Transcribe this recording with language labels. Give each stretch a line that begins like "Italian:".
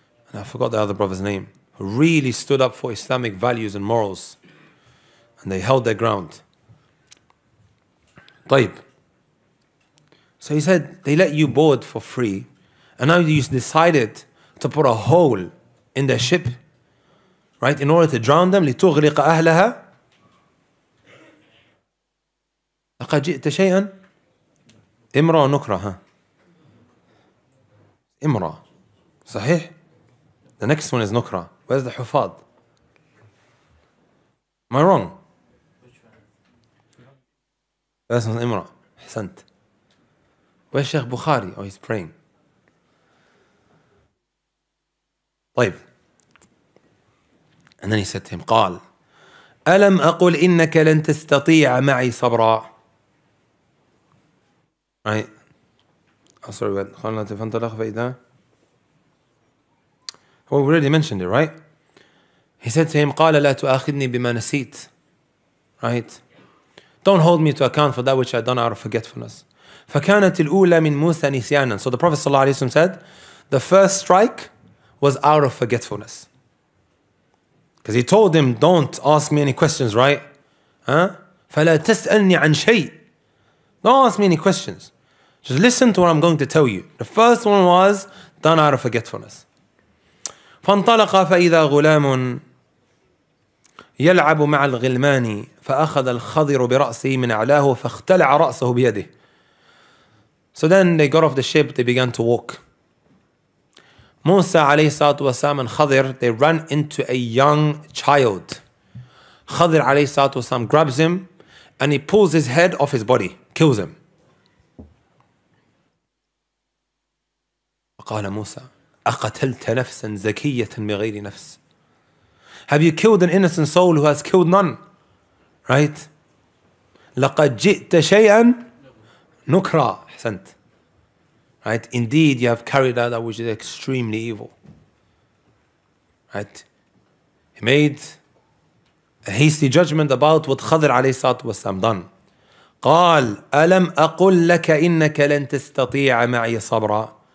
English: And I forgot the other brother's name. Who really stood up for Islamic values and morals. And they held their ground. Taib. So he said, they let you board for free. And now you decided to put a hole in their ship, right, in order to drown them.
Arabic: لتغرق أهلها لقد جئت شيئا إمرا نكرا إمرا صحيح.
English: The next one is نكرا. Where's the حفاظ? Am I wrong? That's not إمرا.
Arabic: حسنت.
English: Where's Sheikh Bukhari? Oh, he's praying.
Arabic: طيب.
English: And then he said to him,
Arabic: قال ألم أقول إنك لن تستطيع معي صبرا.
English: Right. Sorry, what?
Arabic: خلنا تفهمت الأخ فإذا.
English: Well, we already mentioned it, right? He said to him,
Arabic: قال لا تؤاخذني بما نسيت.
English: Right. Don't hold me to account for that which I've done out of forgetfulness.
Arabic: فكانت الأولى من موسى نسيانا.
English: So the Prophet صلى الله عليه وسلم said, the first strike was out of forgetfulness. Because he told him, don't ask me any questions, right?
Arabic: Huh? فَلَا تَسْأَلْنِي عَنْ شَيْءٍ.
English: Don't ask me any questions. Just listen to what I'm going to tell you. The first one was done out of forgetfulness.
Arabic: فَانْطَلَقَ فَإِذَا غُلَامٌ يَلْعَبُ مَعَ الْغِلْمَانِ فَأَخَذَ الْخَضِرُ بِرَأْسِهِ مِنْ أَعْلَاهُ فَاخْتَلَعَ رَأْسَهُ بِيَدِهِ.
English: So then they got off the ship, they began to walk. Musa alayhi salatu wasalam and Khidr, they run into a young child. Khidr alayhi salatu wasalam grabs him and he pulls his head off his body, kills him.
Arabic: وقال موسى أقتلت نفسا زكية بغير نفس.
English: Have you killed an innocent soul who has killed none? Right?
Arabic: لقد جئت شيئا نكرا. حسنت. Right?
English: Indeed, you have carried out that which is extremely evil. Right? He made a hasty judgment about what Khidr alayhi salatu wasalam done.
Arabic: قال ألم أقول لك إنك لن تستطيع معي صبرا.